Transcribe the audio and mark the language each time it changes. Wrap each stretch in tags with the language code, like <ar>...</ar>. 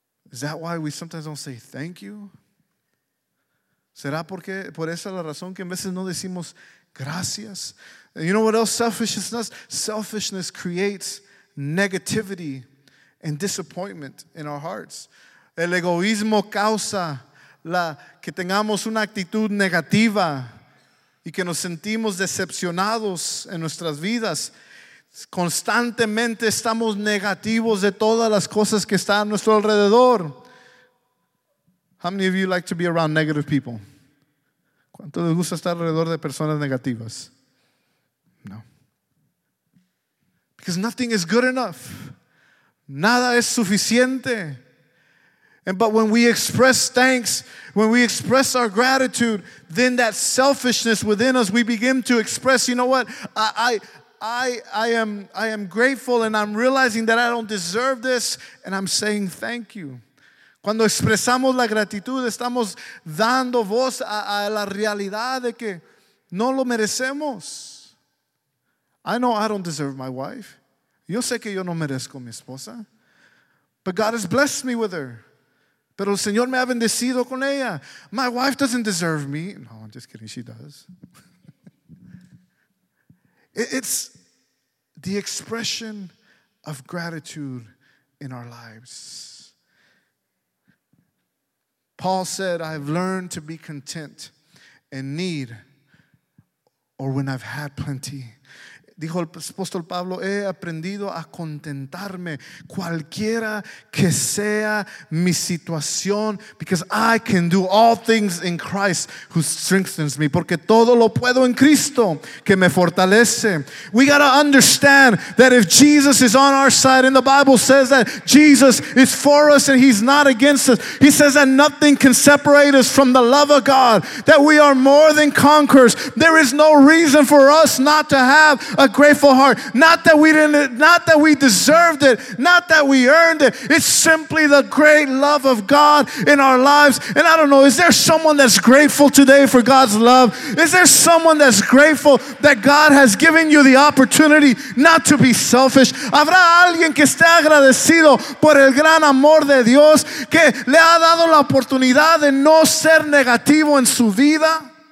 <en>Is that why we sometimes don't say thank you?</en> <es>¿Será porque por esa la razón que en veces no decimos gracias?</es> <en>And you know what else selfishness does? Selfishness creates negativity and disappointment in our hearts.</en> <es>El egoísmo causa la que tengamos una actitud negativa y que nos sentimos decepcionados en nuestras vidas. Constantemente estamos negativos de todas las cosas que están a nuestro alrededor.</es> <en>How many of you like to be around negative people?</en> <es>¿Cuánto les gusta estar alrededor de personas negativas?</es> <en>No. Because nothing is good enough.</en> <es>Nada es suficiente.</es> <en>But when we express thanks, when we express our gratitude, then that selfishness within us, we begin to express, you know what? I am grateful, and I'm realizing that I don't deserve this, and I'm saying thank you.</en> <es>Cuando expresamos la gratitud, estamos dando voz a la realidad de que no lo merecemos.</es> <en>I know I don't deserve my wife.</en> <es>Yo sé que yo no merezco mi esposa.</es> <en>But God has blessed me with her.</en> <es>Pero el Señor me ha bendecido con ella.</es> <en>My wife doesn't deserve me. No, I'm just kidding. She does. It's the expression of gratitude in our lives. Paul said, I have learned to be content in need or when I've had plenty.</en> <es>Dijo el apóstol Pablo, he aprendido a contentarme cualquiera que sea mi situación,</es> <en>because I can do all things in Christ who strengthens me.</en> <es>Porque todo lo puedo en Cristo que me fortalece.</es> <en>We got to understand that if Jesus is on our side, and the Bible says that Jesus is for us and he's not against us. He says that nothing can separate us from the love of God, that we are more than conquerors. There is no reason for us not to have a grateful heart. Not that we deserved it. Not that we earned it. It's simply the great love of God in our lives. And I don't know, is there someone that's grateful today for God's love? Is there someone that's grateful that God has given you the opportunity not to be selfish?</en> <es>¿Habrá alguien que esté agradecido por el gran amor de Dios que le ha dado la oportunidad de no ser negativo en su vida?</es>